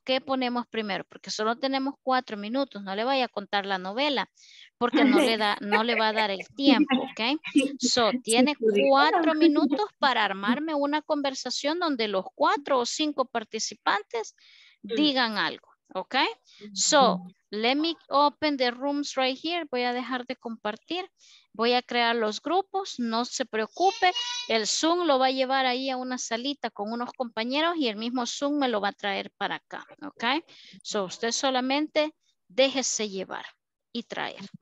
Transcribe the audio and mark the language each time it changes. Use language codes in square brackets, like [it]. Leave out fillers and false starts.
[es] ¿Qué ponemos primero? Porque solo tenemos 4 minutos, no le vaya a contar la novela porque no le va a dar el tiempo, ¿ok? So, tiene 4 minutos para armarme una conversación donde los 4 o 5 participantes digan algo. [en] Ok, so let me open the rooms right here. [es] Voy a dejar de compartir. Voy a crear los grupos. No se preocupe. El Zoom lo va a llevar ahí a una salita con unos compañeros y el mismo Zoom me lo va a traer para acá. Ok, so usted solamente déjese llevar y traer.